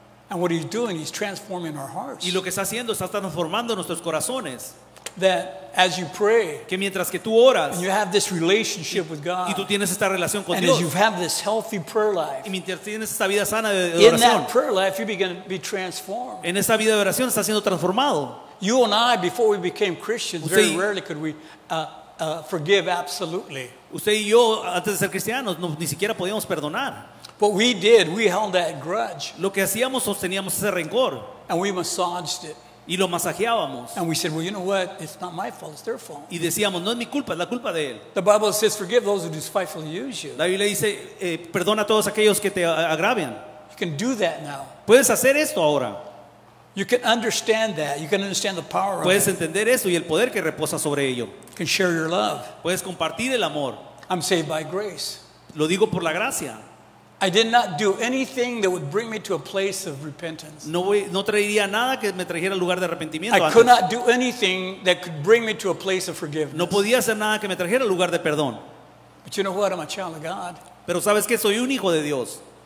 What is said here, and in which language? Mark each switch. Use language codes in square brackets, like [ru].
[en] And what He's doing, He's transforming our hearts. [es] Y lo que está haciendo está transformando nuestros corazones. [en] That as you pray, [es] que mientras que tú oras, [en] and you have this relationship with God, [es] y tú tienes esta relación con [en] and [es] Dios, [en] as you have this healthy prayer life, [es] y mientras tienes esta vida sana de oración, [en] in that prayer life you begin to be transformed. [es] En esta vida de oración estás siendo transformado. [en] You and I, before we became Christians, [es] usted, [en] very rarely could we forgive absolutely. [es] Usted y yo antes de ser cristianos no, ni siquiera podíamos perdonar. [en] What we did, we held that grudge. [es] Lo que hacíamos, sosteníamos ese rencor. [en] And we massaged it. [es] Y lo masajeábamos. [en] And we said, well, you know what? It's not my fault. It's their fault. [es] Y decíamos, no es mi culpa, es la culpa de él. [en] The Bible says, forgive those who despitefully use you. [es] La Biblia dice, perdona a todos aquellos que te agravian. [en] You can do that now. [es] Puedes hacer esto ahora. [en] You can understand that. You can understand the power of it. [es] Puedes entender eso y el poder que reposa sobre ello. [en] You can share your love. [es] Puedes compartir el amor. [en] I'm saved by grace. [es] Lo digo por la gracia. [en] I did not do anything that would bring me to a place of repentance. [es] No traería nada que me trajera al lugar de arrepentimiento. [en] I could not do anything that could bring me to a place of forgiveness. [es] No podía hacer nada que me trajera al lugar de perdón. [en] But you know what? I'm a child of God. [es] Pero sabes que soy un hijo de Dios.